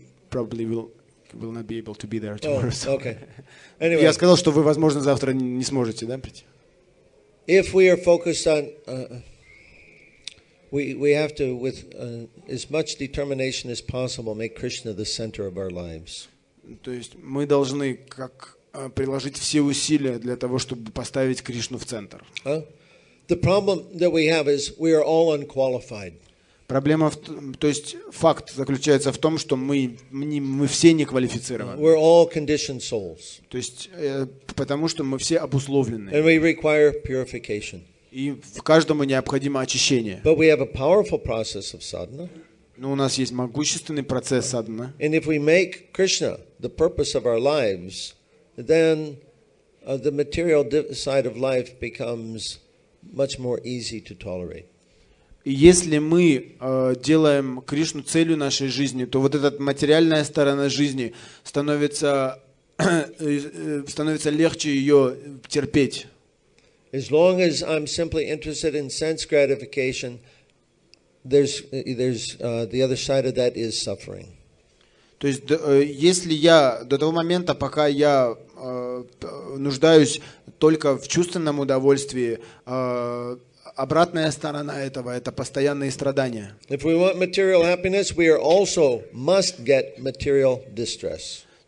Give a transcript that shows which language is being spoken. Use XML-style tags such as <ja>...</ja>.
<en>Probably will not be able to be there tomorrow. Oh, so. Okay. Anyway.</en> <ru>Я сказал, что вы, возможно, завтра не сможете, да, прийти.</ru> <en>If we are focused on, we have to with as much determination as possible make Krishna the center of our lives.</en> <ru>То есть мы должны как приложить все усилия для того, чтобы поставить Кришну в центр.</ru> <en>The problem that we have is we are all unqualified.</en> <ru>Проблема в том, то есть факт заключается в том, что мы все не квалифицированы.</ru> <en>We're all conditioned souls.</en> <ru>То есть потому что мы все обусловлены.</ru> <en>And we require purification.</en> <ru>И в каждому необходимо очищение.</ru> <en>But we have a powerful process of sadhana.</en> <ru>Но у нас есть могущественный процесс садхана.</ru> <en>And if we make Krishna the purpose of our lives, then the material side of life becomes much more easy to tolerate.</en> <ru>Если мы делаем Кришну целью нашей жизни, то вот эта материальная сторона жизни становится становится легче ее терпеть.</ru> <en>As long as I'm simply interested in sense gratification, there's the other side of that is suffering.</en> <ru>То есть если я до того момента, пока я нуждаюсь только в чувственном удовольствии, обратная сторона этого — это постоянные страдания.</ru> <en>If we want material happiness, we are also must get material distress.</en>